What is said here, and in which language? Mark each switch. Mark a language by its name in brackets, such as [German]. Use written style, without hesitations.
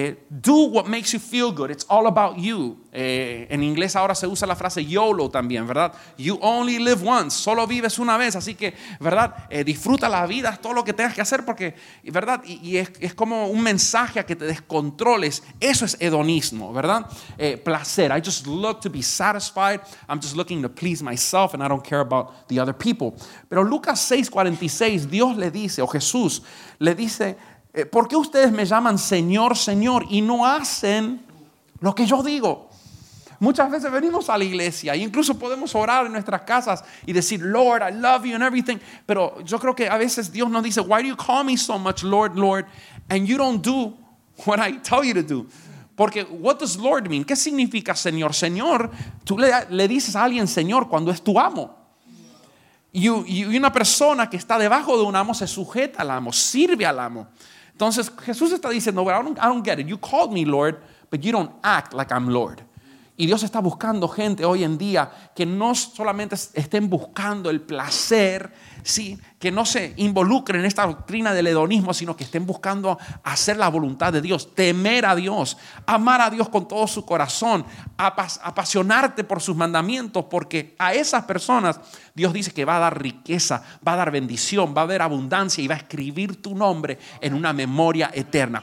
[English] Do what makes you feel good. It's all about you. [Spanish] En inglés ahora se usa la frase YOLO también, ¿verdad? [English] You only live once. [Spanish] Solo vives una vez. Así que, ¿verdad? Disfruta la vida, todo lo que tengas que hacer, porque, ¿verdad? Y es como un mensaje a que te descontroles. Eso es hedonismo, ¿verdad? Placer. [English] I just look to be satisfied. I'm just looking to please myself and I don't care about the other people. [Spanish] Pero Lucas 6:46, Dios le dice, o Jesús le dice: ¿por qué ustedes me llaman Señor, Señor y no hacen lo que yo digo? Muchas veces venimos a la iglesia e incluso podemos orar en nuestras casas y decir, [English] Lord, I love you and everything. [Spanish] Pero yo creo que a veces Dios nos dice, [English] why do you call me so much Lord, Lord, and you don't do what I tell you to do? [Spanish] Porque [English] what does Lord mean? [Spanish] ¿Qué significa Señor, Señor? Tú le dices a alguien Señor cuando es tu amo. Y una persona que está debajo de un amo se sujeta al amo, sirve al amo. Entonces Jesús está diciendo, [English] well, I don't get it. You called me Lord, but you don't act like I'm Lord. [Spanish] Y Dios está buscando gente hoy en día que no solamente estén buscando el placer, ¿sí?, que no se involucren en esta doctrina del hedonismo, sino que estén buscando hacer la voluntad de Dios, temer a Dios, amar a Dios con todo su corazón, apasionarte por sus mandamientos, porque a esas personas Dios dice que va a dar riqueza, va a dar bendición, va a haber abundancia y va a escribir tu nombre en una memoria eterna.